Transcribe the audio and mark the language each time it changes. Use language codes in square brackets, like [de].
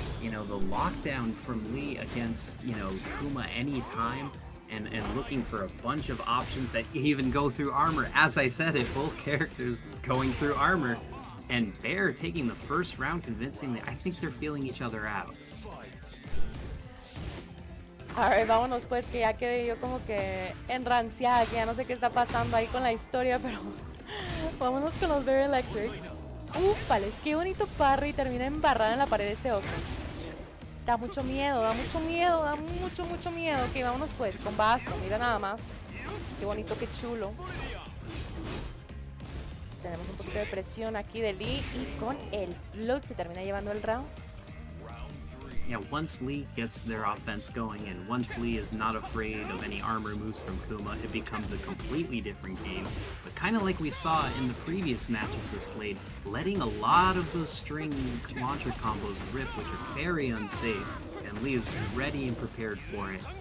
[en] You know, the lockdown from Lee against, you know, Kuma anytime, and looking for a bunch of options that even go through armor. As I said it, both characters going through armor, and Bear taking the first round convincingly. I think they're feeling each other out. Alright, [es] vámonos pues, que ya quedé yo como que enranciada, que ya no sé qué está pasando ahí con la historia, pero vámonos con los Bear Electrics. Ufales, qué bonito parry, termina embarrada en la pared de este ojo. Da mucho miedo, da mucho miedo, da mucho, mucho miedo. Ok, vámonos pues, con Basto, mira nada más. Qué bonito, qué chulo. Tenemos un poquito de presión aquí de Lee y con el Blood se termina llevando el round. [en] Yeah, once Lee gets their offense going, and once Lee is not afraid of any armor moves from Kuma, it becomes a completely different game. But kind of like we saw in the previous matches with Slade, letting a lot of those string launcher combos rip, which are very unsafe, and Lee is ready and prepared for it.